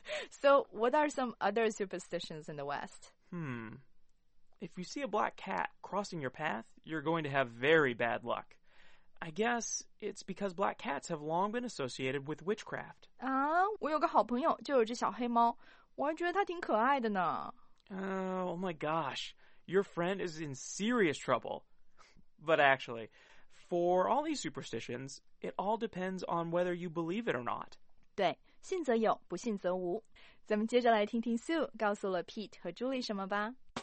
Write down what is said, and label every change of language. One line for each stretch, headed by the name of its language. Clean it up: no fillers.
English: So, what are some other superstitions in the West? If you see a black cat crossing your path, you're going to have very bad luck. I guess it's because black cats have long been associated with witchcraft.
Chinese: 啊，我有个好朋友，就有只小黑猫，我还觉得它挺可爱的呢。
English: Oh my gosh, your friend is in serious trouble. But actually, for all these superstitions, it all depends on whether you believe it or not.
Chinese: 对，信则有，不信则无。咱们接着来听听 Sue 告诉了 Pete 和 Julie 什么吧。